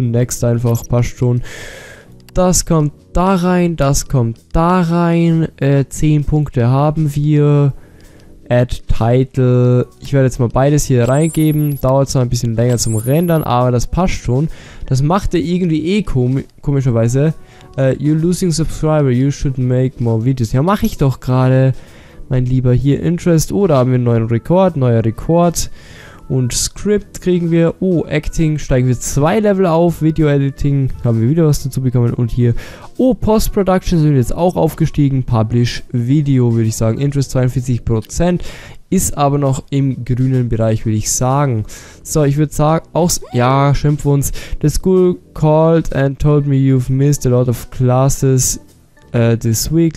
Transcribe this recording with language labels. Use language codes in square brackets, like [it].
[de] Next einfach, passt schon. Das kommt da rein, das kommt da rein. 10 Punkte haben wir. Add Title. Ich werde jetzt mal beides hier reingeben. Dauert zwar ein bisschen länger zum Rendern, aber das passt schon. Das macht er irgendwie eh komischerweise. [en] You're losing subscriber, you should make more videos. [de] Ja, mache ich doch gerade. Mein Lieber, hier Interest. Oh, da haben wir einen neuer Rekord. Und Script kriegen wir. Oh, Acting steigen wir 2 Level auf. Video Editing haben wir wieder was dazu bekommen. Und hier, oh, Post Production sind jetzt auch aufgestiegen. Publish Video, würde ich sagen. Interest 42%. Ist aber noch im grünen Bereich, würde ich sagen. So, ich würde sagen, schimpfen uns. [en] The school called and told me you've missed a lot of classes this week.